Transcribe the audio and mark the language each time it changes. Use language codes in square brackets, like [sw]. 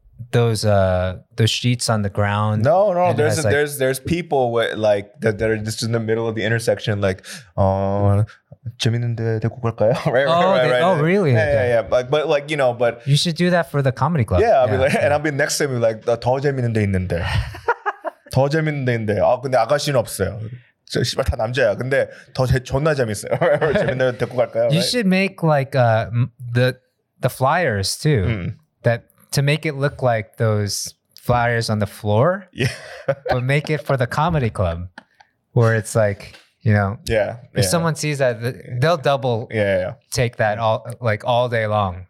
[en] those sheets on the ground. No. There's people with like that are just in the middle of the intersection, like, really? Yeah. But you know, but you should do that for the comedy club. Yeah, I'll be next to him, like, [ko] 더 재밌는 데 있는데. [en] 더 재밌는 데 있는데. [ko] 아, 근데 아가씨는 없어요. 저 씨발 다 남자야. 근데 더 존나 재밌어요. 재밌는 데 데리고 갈까요? [en] You should make like the flyers too. To make it look like those flyers on the floor, yeah. But make it for the comedy club, where it's like, you know, yeah. If someone sees that, they'll double, take that all day long.